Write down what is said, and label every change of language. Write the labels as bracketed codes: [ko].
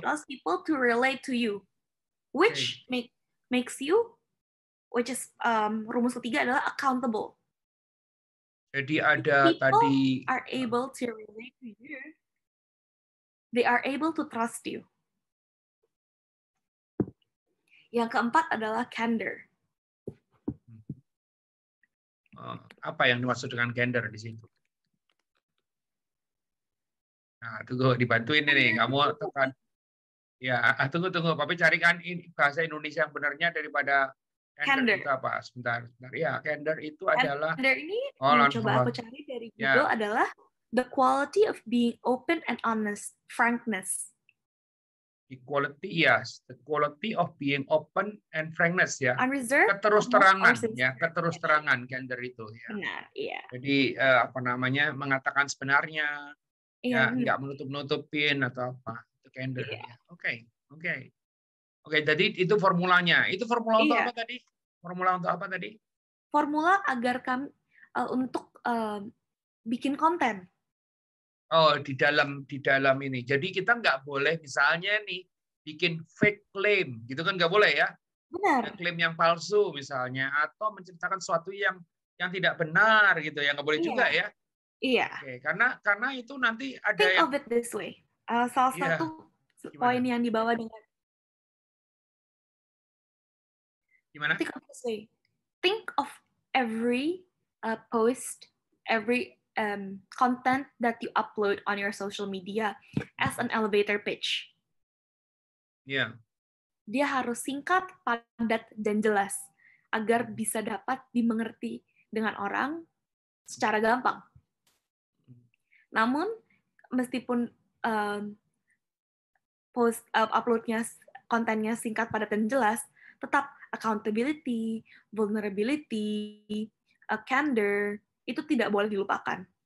[en] it allows people to relate to you, which makes you. Which is [id] rumus ketiga adalah accountable. Jadi ada tadi [en] people are able to relate to you. They are able to trust you. [id] Yang keempat adalah candor. Apa yang dimaksud dengan candor di situ? Nah, tunggu dibantuin ini nih, kamu tekan. Ya, tunggu, papi carikan bahasa Indonesia yang benarnya daripada candor itu apa? Sebentar. Ya, candor itu adalah. Candor ini aku cari dari Google adalah [en] the quality of being open and honest, frankness. Equality, yes. The quality of being open and frankness, ya. Unreserved. [id] Keterusterangan, ya. Keterusterangan candor itu, ya. Benar, jadi mengatakan sebenarnya, ya, nggak menutup-nutupin atau apa itu candor. Okay. Oke, jadi itu formulanya. Itu formula untuk apa tadi? Formula agar kami untuk bikin konten. Oh, di dalam ini. Jadi kita nggak boleh misalnya nih bikin fake claim, gitu kan nggak boleh ya? Benar. Claim yang palsu misalnya, atau menceritakan sesuatu yang tidak benar gitu, yang nggak boleh juga ya? Iya. Oke, karena itu nanti ada. [en] Think of it this way. [id] Salah satu poin yang dibawa dengan gimana? [en] Think of every post, every content that you upload on your social media as an elevator pitch. Yeah. [id] Dia harus singkat, padat, dan jelas agar bisa dapat dimengerti dengan orang secara gampang. Namun, meskipun uploadnya, kontennya singkat, padat, dan jelas, tetap accountability, vulnerability, candor, itu tidak boleh dilupakan.